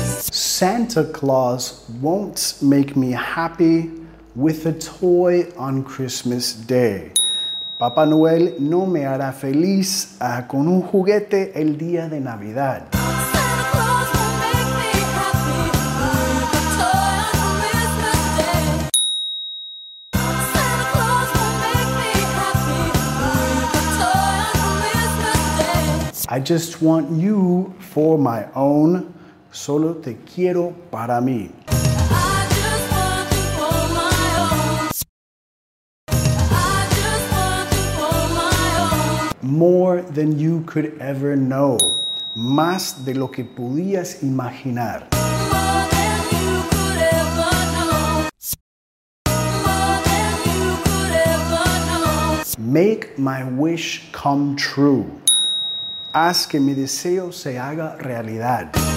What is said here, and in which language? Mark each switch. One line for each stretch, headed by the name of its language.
English: Santa Claus won't make me happy with a toy on Christmas Day.
Spanish: Papá Noel no me hará feliz con un juguete el día de Navidad.
English: Santa Claus won't make me happy with a toy on Christmas Day. Santa Claus won't make me happy with a toy on Christmas Day. I just want you for my own.
Spanish: Solo te quiero para mí.
English: I just want you for my own. I just want you for my own. More than you could ever know.
Spanish: Más de lo que podías imaginar.
English: More than you could ever know. More than you could ever know. Make my wish come true.
Spanish: Haz que mi deseo se haga realidad.